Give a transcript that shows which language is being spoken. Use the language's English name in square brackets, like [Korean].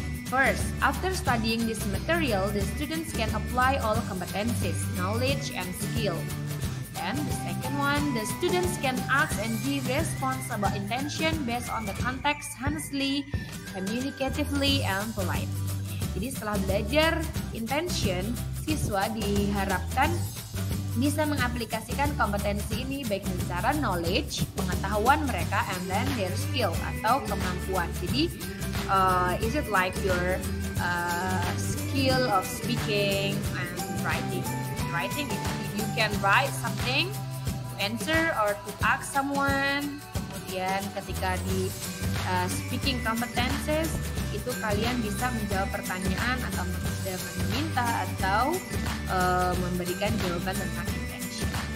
[English] First, after studying this material, the students can apply all competencies, knowledge, and skill. Then, the second someone, the students can ask and give response about intention based on the context, honestly, communicatively, and polite. [Indonesian] Jadi setelah belajar intention, siswa diharapkan bisa mengaplikasikan kompetensi ini baik secara knowledge, pengetahuan mereka, [English] and then their skill [Indonesian] atau kemampuan. [English] Jadi, is it like your skill of speaking and writing? Writing, you can write something to answer or to ask someone. [Indonesian] Kemudian ketika di speaking competences, itu kalian bisa menjawab pertanyaan atau meminta atau memberikan jawaban tentang intention.